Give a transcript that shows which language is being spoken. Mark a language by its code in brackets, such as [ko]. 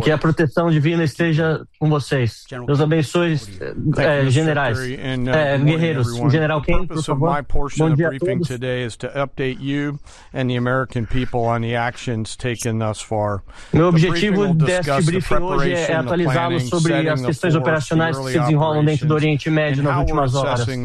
[pt] que a proteção divina esteja com vocês. Deus abençoe, generais, guerreiros. General Kane, por favor. Bom dia a todos. [en] Today is to update you and the American people on the actions taken thus far. [pt] Meu objetivo deste briefing hoje é atualizá-los sobre as questões operacionais que se desenrolam dentro do Oriente Médio nas últimas horas.